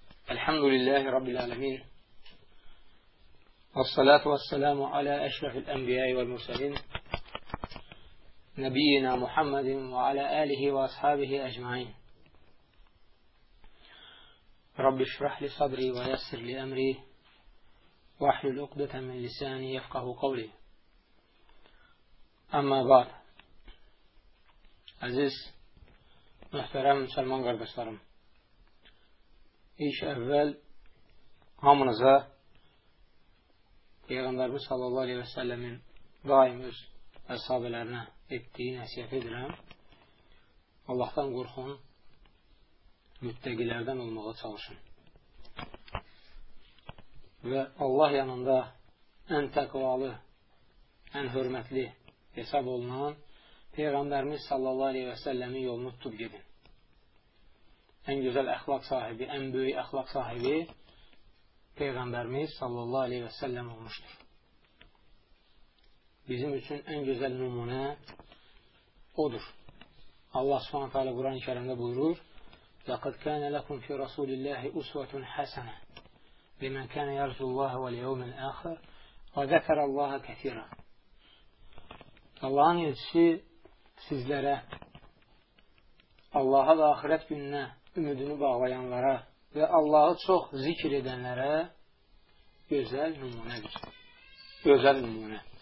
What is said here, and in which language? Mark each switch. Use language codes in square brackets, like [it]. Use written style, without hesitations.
[ar] الحمد لله رب العالمين، والصلاة والسلام على أشرف الأنبياء والمرسلين نبينا محمد وعلى آله وأصحابه أجمعين. رب اشرح لي صدري ويسر لي أمري واحلل عقدة من لساني يفقه قولي. أما بعد، عزيز [az] Mühterem müsəlman qardaşlarım, İlk əvvəl hamınıza Peyğəmbərimiz sallallahu əleyhi və səlləmin daim öz əsabələrinə etdiyi nəsihət edirəm: Allahdan qorxun, müttəqilərdən olmağa çalışın və Allah yanında ən təqvalı, ən hörmətli hesab olunan Peyğəmbərimiz sallallahu əleyhi və səlləmin yolunu tutub gedin. Ən gözəl əxlaq sahibi, ən böyük əxlaq sahibi Peyğəmbərimiz sallallahu aleyhi və səlləm olmuşdur. Bizim üçün ən gözəl nümunə odur. Allah subhanahu teala Quran-ı Kerimdə buyurur: [ar] لَقَدْ كَانَ لَكُمْ فِي رَسُولِ اللَّهِ اُسْوَةٌ حَسَنَ لِمَنْ كَانَ يَرْزُ اللَّهَ وَالْيَوْمِ الْآخِرِ وَذَكَرَ اللَّهَ كَثِيرًا. [az] Allahın elçisi sizlərə, Allaha və ahirət gününə ümidini bağlayanlara və Allahı çox zikr edənlərə gözəl nümunədir. Gözəl nümunə.